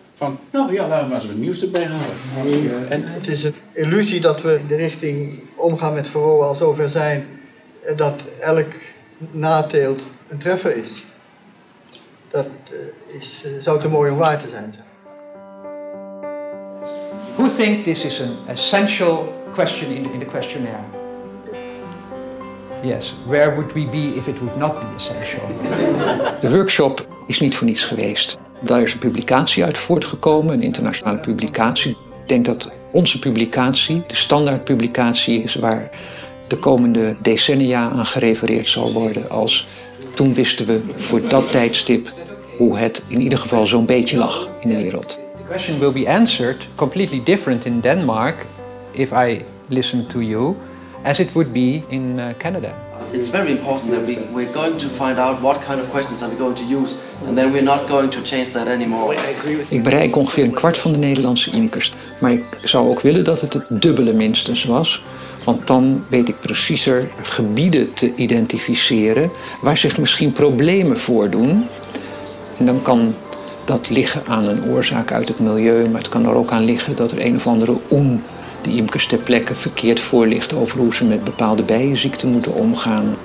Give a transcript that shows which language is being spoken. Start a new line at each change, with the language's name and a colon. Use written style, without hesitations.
Dutch: Van, nou ja, laten we maar eens wat nieuws erbij halen. Nee, en het is een illusie dat we in de richting omgaan met varroa al zover zijn dat elk nateelt een treffer is. Dat zou te mooi om waar te zijn.
English: Who think this is an essential question in the questionnaire? Yes, where would we be if it would not be essential?
Dutch: De workshop is niet voor niets geweest. Daar is een publicatie uit voortgekomen, een internationale publicatie. Ik denk dat onze publicatie de standaardpublicatie is waar de komende decennia aan gerefereerd zal worden. Als toen wisten we voor dat tijdstip hoe het in ieder geval zo'n beetje lag in de wereld.
English: The question will be answered completely different in Denmark, if I listen to you, as it would be in Canada. It's very important that we're going to find out what kind of questions are we going to use, and then we're not going to change that anymore.
Dutch: Ik bereik ongeveer 1/4 van de Nederlandse imkers, maar ik zou ook willen dat het dubbele minstens was, want dan weet ik preciezer gebieden te identificeren waar zich misschien problemen voordoen, en dan kan dat liggen aan een oorzaak uit het milieu, maar het kan er ook aan liggen dat er een of andere de imkers ter plekke verkeerd voorlicht over hoe ze met bepaalde bijenziekten moeten omgaan.